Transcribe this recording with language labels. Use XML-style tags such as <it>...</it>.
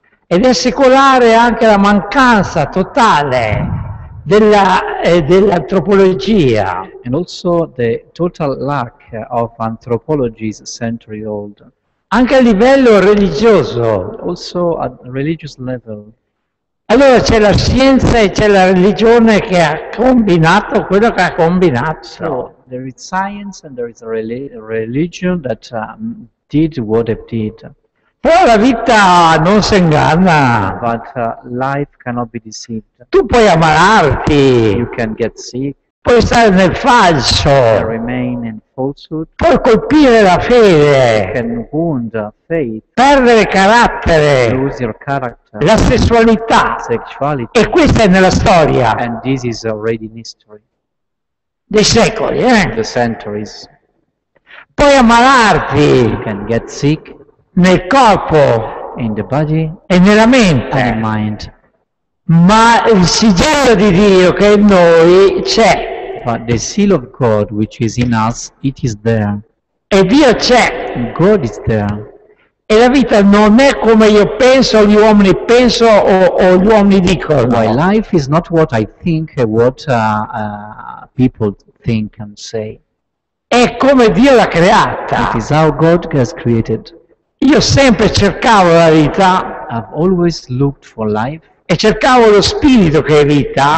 <it>Ed è secolare anche la mancanza totale della dell'antropologia.</it> <en>And also the total lack of anthropology is century old.</en> <it>Anche a livello religioso.</it> <en>Also at religious level.</en> <it>Allora c'è la scienza e c'è la religione che ha combinato quello che ha combinato.</it> <en>So, there is science and there is a religion that did what they did.</en> <it>Però la vita non si inganna.</it> <en>But life cannot be deceived.</en> <it>Tu puoi ammalarti.</it> <en>You can get sick.</en> <it>Puoi stare nel falso.</it> <en>Remain in falsehood.</en> <it>Puoi colpire la fede.</it> <en>You can wound faith.</en> <it>Perdere carattere.</it> <en>Lose your character.</en> <it>La sessualità.</it> <en>Sexuality.</en> <it>E questa è nella storia.</it> <en>And this is already in history.</en> <it>Dei secoli, eh?</it> <en>The centuries.</en> <it>Puoi ammalarti.</it> <en>You can get sick.</en> <it>Nel corpo,</it> <en>in the body,</en> <it>e nella mente,</it> <en>in mind.</en> <it>Ma il sigillo di Dio che in noi c'è,</it> <en>but the seal of God which is in us, it is there.</en> <it>E Dio c'è,</it> <en>God is there.</en> <it>E la vita non è come io penso, gli uomini penso o gli uomini dicono.</it> <en>My life is not what I think, what people think and say.</en> <it>È come Dio l'ha creata.</it> <en>It is how God has created.</en> <it>Io sempre cercavo la vita.</it> <en>I've always looked for life.</en> <it>E cercavo lo spirito che è vita.</it>